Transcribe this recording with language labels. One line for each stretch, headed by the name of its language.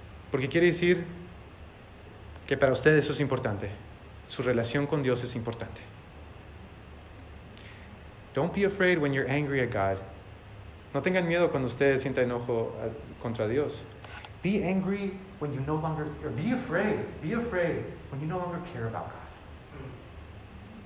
Spanish: Porque quiere decir que para usted eso es importante. Su relación con Dios es importante.
English: Don't be afraid when you're angry at God.
Spanish: No tengan miedo cuando usted sienta enojo contra Dios.
English: Be angry when you no longer, or be afraid when you no longer care about God.